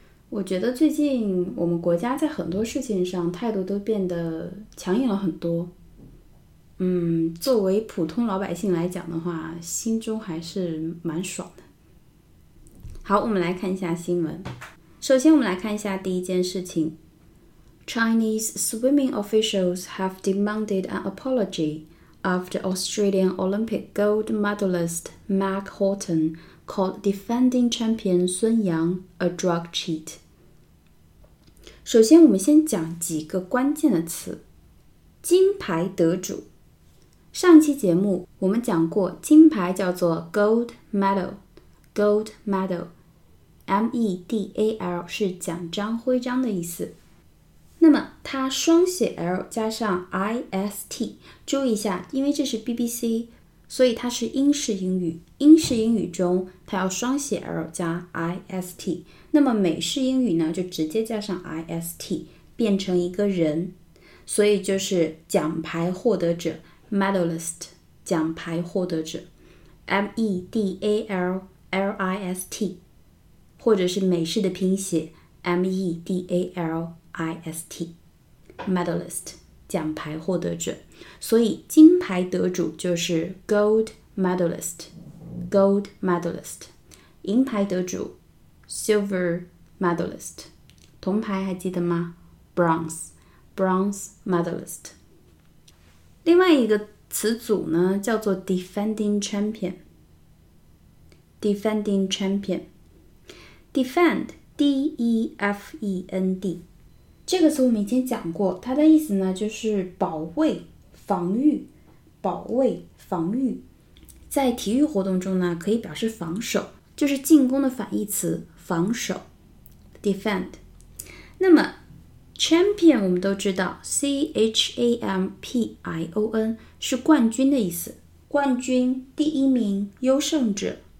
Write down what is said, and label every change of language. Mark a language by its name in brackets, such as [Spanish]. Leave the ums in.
[Chinese] 我觉得最近我们国家在很多事情上态度都变得强硬了很多。嗯，作为普通老百姓来讲的话，心中还是蛮爽的。好，我们来看一下新闻。首先，我们来看一下第一件事情。 [English] Chinese swimming officials have demanded an apology after Australian Olympic gold medalist Mark Horton called defending champion Sun Yang a drug cheat。 [Chinese] 首先，我们先讲几个关键的词：金牌得主。上期节目我们讲过，金牌叫做 [English] gold medal，gold medal， [Chinese] M E D A L 是奖章、徽章的意思。那么它双写 l 加上 i s t，注意一下，因为这是 B B C，所以它是英式英语。英式英语中，它要双写 l 加 i s t。那么美式英语呢，就直接加上 i s t，变成一个人，所以就是奖牌获得者 medalist，奖牌获得者 m e d a l l i s t，或者是美式的拼写 m e d a l, -L。 i s t medalist 奖牌获得者，所以金牌得主就是 [English] gold medalist，gold medalist。 [Chinese] 银牌得主 [English] silver medalist， [Chinese] 铜牌还记得吗？ [English] bronze bronze medalist。 [Chinese] 另外一个词组呢叫做 [English] defending champion，defending champion， [Chinese] defend d e f e n d。这个词我们以前讲过，它的意思呢就是保卫、防御、保卫、防御。在体育活动中呢，可以表示防守，就是进攻的反义词，防守 （defend）。那么，champion 我们都知道，c h a m p i o n 是冠军的意思，冠军、第一名、优胜者。